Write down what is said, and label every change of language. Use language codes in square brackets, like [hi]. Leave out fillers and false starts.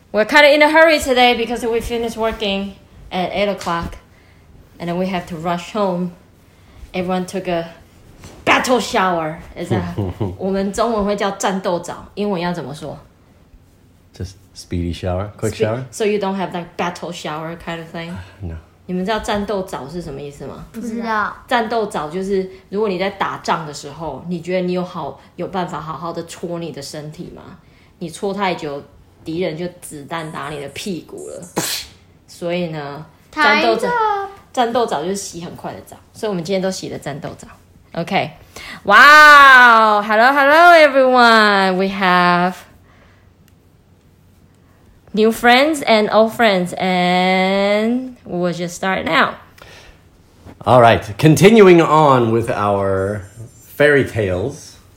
[en] We're kind of in a hurry today because we finished working at 8 o'clock. And then we have to rush home. Everyone took a battle shower. Is that [zh] 我们中文会叫战斗澡, 英文要怎么说? [en] Just speedy shower, quick shower. So you don't have like battle shower kind of thing? No. [zh] 你们知道战斗澡是什么意思吗？不知道。战斗澡就是如果你在打仗的时候， 你觉得你有办法好好的搓你的身体吗？你搓太久， 敌人就子弹打你的屁股了。所以呢， 战斗澡就是洗很快的澡。所以我们今天都洗了战斗澡。 [en] Okay. Wow! Hello, hello everyone! We have new friends and old friends, and we'll just start now. All right, continuing on with our fairy tales.